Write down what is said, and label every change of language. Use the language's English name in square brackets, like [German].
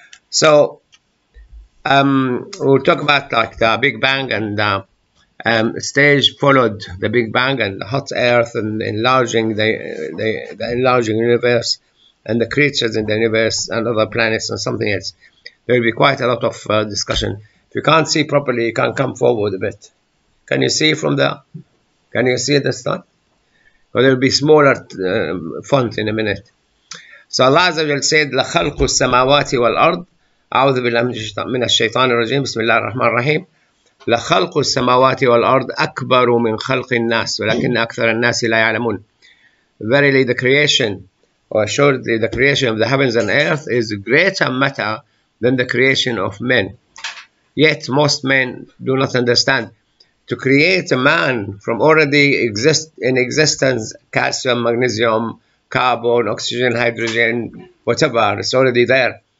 [English] So we'll talk about like the Big Bang and the stage followed the Big Bang and the hot earth and enlarging the enlarging universe and the creatures in the universe and other planets and something else. There will be quite a lot of discussion. If you can't see properly, you can come forward a bit. Can you see from there? Can you see this time? Well, there will be smaller font in a minute. So Allah Azza wa Jalla said, [Arabic] لَخَلْقُ السَّمَاوَاتِ وَالْأَرْضِ أَعُوذُ بِاللَّهِ مِنَ الشَّيْطَانِ الرَّجِيمِ بِسْمِ اللَّهِ الرَّحْمَنِ الرَّحِيمِ لَخَلْقُ السَّمَاوَاتِ وَالْأَرْضِ أَكْبَرُ مِنْ خَلْقِ النَّاسِ وَلَكِنَّ أَكْثَرَ النَّاسِ لَا يَعْلَمُونَ. [English] Verily the creation, or assuredly the creation of the heavens and earth, is greater matter than the creation of men. Yet most men do not understand. To create a man from already in existence, calcium, magnesium, carbon, oxygen, hydrogen, whatever, it's already there.